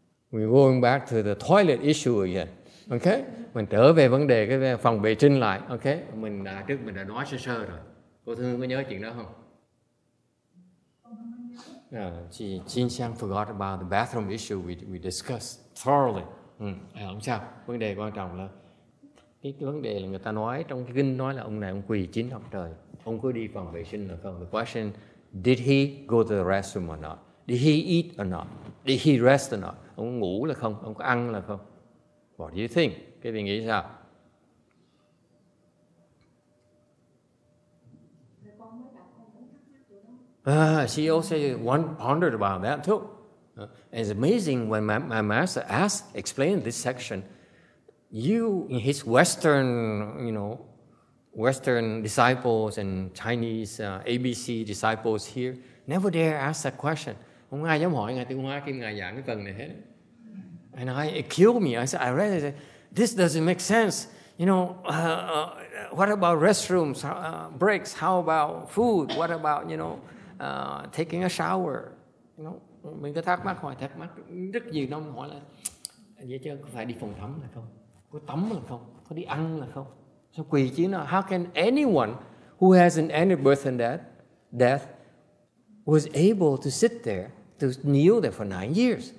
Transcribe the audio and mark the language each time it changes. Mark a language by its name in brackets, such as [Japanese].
[English] We're going back to the toilet issue again. Okay? [Vietnamese] Mình trở về vấn đề cái phòng vệ sinh lại. Okay? Mình đã nói sơ sơ rồi. Cô Thương có nhớ chuyện đó không? [English] Chị Chin Xiang forgot about the bathroom issue we discussed thoroughly. [Vietnamese] Không sao. Vấn đề quan trọng là cái vấn đề là người ta nói trong cái kinh nói là ông này ông quỳ 9 năm trời. Ông có đi phòng vệ sinh là không? [English] The question, did he go to the restroom or not? Did he eat or not? Did he rest or not? [Vietnamese] Ông ngủ là không? Ông có ăn là không? What do you think? Cái gì nghĩ sao? [English] She also pondered about that too. It's amazing when my master explained this section. You, in his Western, you know, Western disciples and Chinese ABC disciples here, never dare ask that question. [Vietnamese] Không ai dám hỏi ngài Tiếng Hoa khi ngài giảng cái phần này hết. [English] And it killed me. I said, I read it. This doesn't make sense. You know, what about restrooms, breaks? How about food? What about, you know, taking a shower? [Vietnamese] You know, mình cứ thắc mắc rất nhiều năm hỏi là vậy chứ có phải đi phòng tắm là không? Có tắm là không? Có đi ăn là không? Sao quỳ chứ nó? [English] How can anyone who hasn't any birth and death was able to sit there, to kneel there for 9 years?